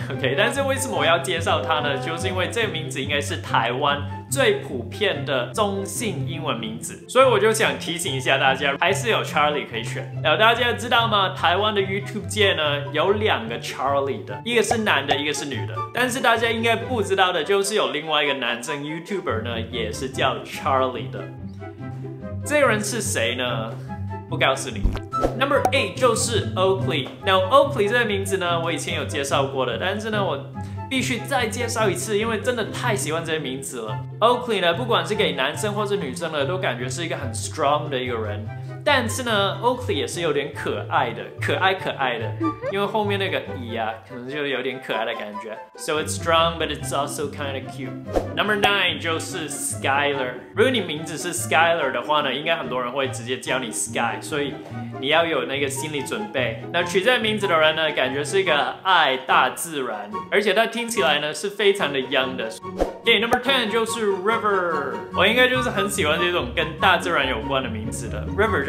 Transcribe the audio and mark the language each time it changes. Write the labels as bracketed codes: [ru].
[zh] OK, 但是为什么我要介绍它呢？就是因为这个名字应该是台湾最普遍的中性英文名字，所以我就想提醒一下大家，还是有 Charlie 可以选。那大家知道吗？台湾的 YouTube 界呢，有两个 Charlie 的，一个是男的，一个是女的。但是大家应该不知道的，就是有另外一个男生 YouTuber 呢，也是叫 Charlie 的。这个人是谁呢？不告诉你。 [en] Number eight [zh] 就是 [en] Oakley。 Now [zh] Oakley 这个名字呢，我以前有介绍过的，但是呢，我必须再介绍一次，因为真的太喜欢这个名字了。 Oakley 呢，不管是给男生或是女生呢，都感觉是一个很 [en] strong [zh] 的一个人。但是呢 ，Oakley 也是有点可爱的，可爱可爱的，因为后面那个 e 啊，可能就有点可爱的感觉。 [en] So it's strong, but it's also kind of cute. Number nine [zh] 就是 [en] Skyler。 [zh] 如果你名字是 Skyler 的话呢，应该很多人会直接叫你 Sky， 所以你要有那个心理准备。那取这个名字的人呢，感觉是一个爱大自然，而且他听起来呢是非常的 [en] young [zh] 的。 [en] Okay, number ten [zh] 就是 [en] River。 [zh] 我应该就是很喜欢这种跟大自然有关的名字的 River。